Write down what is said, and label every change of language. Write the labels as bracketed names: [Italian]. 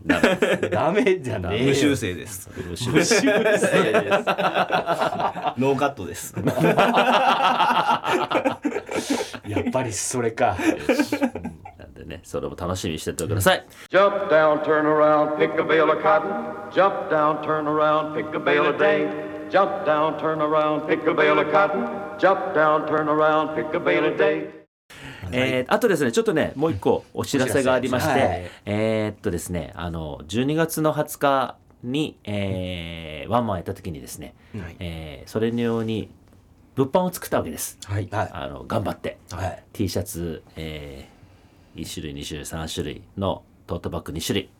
[Japanese] ダメじゃない、無修正です、無修正です。ノーカットです。やっぱりそれか。なんでね、それも楽しみにしててください。 [English] Jump down, turn around, pick a bale of cotton. Jump down, turn around, pick a bale of day. Jump down, turn around, pick a bale of cotton. Jump down, turn around, pick a bale of day. [Japanese] あとですね、ちょっとね、もう一個お知らせがありまして、はい、ですね、あの12月の20日に、ワンマンやった時にですね、はい、それのように物販を作ったわけです。はい、あの頑張って、はい、 T シャツ、1種類2種類3種類のトートバッグ2種類、